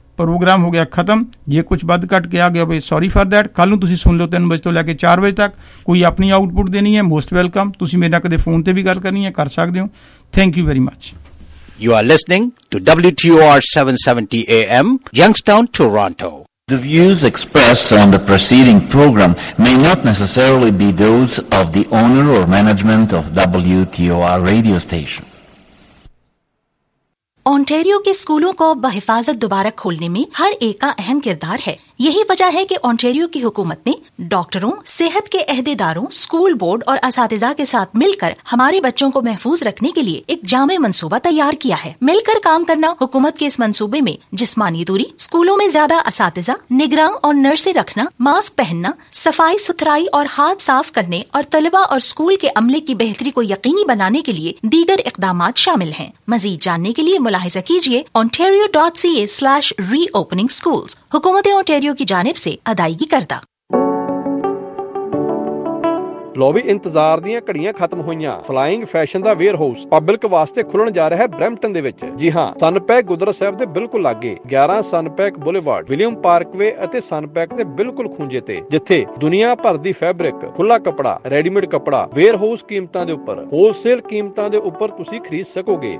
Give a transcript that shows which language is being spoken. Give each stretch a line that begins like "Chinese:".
Punjabi: Programme ਹੋ ਗਿਆ ਖਤਮ, ਜੇ ਕੁਛ ਵੱਧ ਘੱਟ ਕੇ ਆ ਗਿਆ ਬਈ
English: Sorry for that.
Punjabi: ਕੱਲ੍ਹ ਨੂੰ ਤੁਸੀਂ ਸੁਣ ਲਓ 3 ਵਜੇ ਤੋਂ ਲੈ ਕੇ 4 ਵਜੇ ਤੱਕ, ਕੋਈ ਆਪਣੀ ਆਊਟਪੁੱਟ ਦੇਣੀ ਹੈ
English: most welcome,
Punjabi: ਤੁਸੀਂ ਮੇਰੇ ਨਾਲ ਕਦੇ ਫੋਨ 'ਤੇ ਵੀ ਗੱਲ ਕਰਨੀ ਹੈ ਕਰ ਸਕਦੇ ਹੋ।
English: Thank you very much. You are listening to WTOR 770 AM Youngstown Toronto. The views expressed on the preceding program may not necessarily be those of the owner or management of WTOR radio station.
Urdu: Ontario کے سکولوں کو بحفاظت دوبارہ کھولنے میں ہر ایک کا اہم کردار ہے۔ یہی وجہ ہے کہ اونٹیریو کی حکومت نے ڈاکٹروں، صحت کے عہدیداروں، سکول بورڈ اور اساتذہ کے ساتھ مل کر ہمارے بچوں کو محفوظ رکھنے کے لیے ایک جامع منصوبہ تیار کیا ہے۔ مل کر کام کرنا حکومت کے اس منصوبے میں جسمانی دوری، سکولوں میں زیادہ اساتذہ، نگراں اور نرسیں رکھنا، ماسک پہننا، صفائی ستھرائی اور ہاتھ صاف کرنے، اور طلبہ اور سکول کے عملے کی بہتری کو یقینی بنانے کے لیے دیگر اقدامات شامل ہیں۔ مزید جاننے کے لیے ملاحظہ کیجیے ontario.ca/reopeningschools۔ حکومت اونٹیریو کی جانب سے ادائیگی کردہ۔
Punjabi: ਲੋਬੀ ਇੰਤਜ਼ਾਰ ਦੀਆਂ ਘੜੀਆਂ ਖਤਮ ਹੋਈਆਂ। ਫਲਾਇੰਗ ਫੈਸ਼ਨ ਦਾ ਵੇਅਰ ਹਾਊਸ ਪਬਲਿਕ ਵਾਸਤੇ ਖੁੱਲਣ ਜਾ ਰਿਹਾ ਹੈ ਬ੍ਰੈਂਪਟਨ ਦੇ ਵਿੱਚ। ਜੀ ਹਾਂ, ਸਨਪੈਕ ਗੁਦਰ ਸਾਹਿਬ ਦੇ ਬਿਲਕੁਲ ਲਾਗੇ, 11 ਸਨਪੈਕ ਬੁਲੇਵਾਰਡ, ਵਿਲੀਅਮ ਪਾਰਕਵੇ ਅਤੇ ਸਨਪੈਕ ਦੇ ਬਿਲਕੁਲ ਖੂੰਜੇ ਤੇ, ਜਿੱਥੇ ਦੁਨੀਆ ਭਰ ਦੀ ਫੈਬਰਿਕ, ਖੁੱਲਾ ਕੱਪੜਾ, ਰੈਡੀਮੇਡ ਕੱਪੜਾ, ਵੇਅਰ ਹਾਊਸ ਕੀਮਤਾਂ ਦੇ ਉੱਪਰ, ਹੋਲਸੇਲ ਕੀਮਤਾਂ ਦੇ ਉੱਪਰ ਤੁਸੀਂ ਖਰੀਦ ਸਕੋਗੇ।